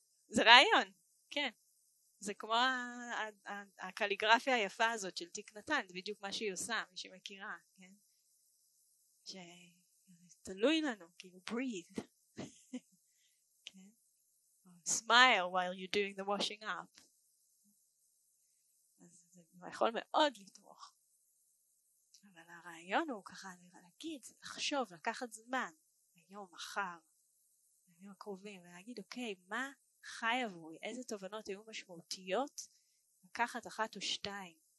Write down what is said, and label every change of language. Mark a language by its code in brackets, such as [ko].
[he] זה רעיון, כן. זה כמו הקליגרפיה היפה הזאת של תיק נתן, זה בדיוק מה שהיא עושה, מי שמכירה, כן? שתלוי לנו, כאילו, [en] breathe. Smile while you're doing the washing up. [he] יכול מאוד לתרוך. אבל הרעיון הוא ככה להגיד, לחשוב, לקחת זמן, היום, מחר, היום הקרובים, ולהגיד, אוקיי, מה חי עבורי? איזה תובנות היו משמעותיות? לקחת אחת או שתיים.